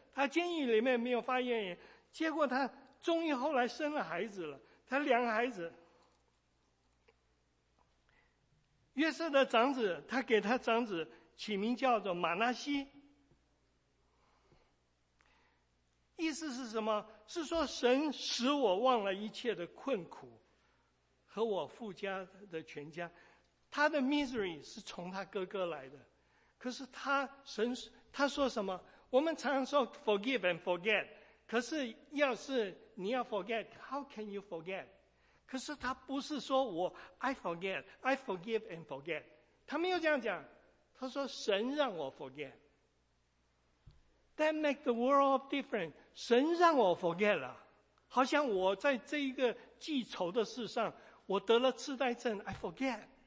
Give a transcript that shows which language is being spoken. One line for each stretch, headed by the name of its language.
Chinese: 他监狱里面没有发怨言，结果他终于后来生了孩子了，他两个孩子，约瑟的长子，他给他长子起名叫做马拿西，意思是什么？是说神使我忘了一切的困苦和我父家的全家。他的 misery 是从他哥哥来的，可是他说什么？我们常说
English: forgive and forget，
Chinese: 可是要是你要 forget，
English: how can you forget？
Chinese: 可是他不是说我
English: I forget I forgive and forget，
Chinese: 他没有这样讲，他说神让我 forget，
English: That make the world of different，
Chinese: 神让我 forget 了，好像我在这一个记仇的事上我得了痴呆症， I forget。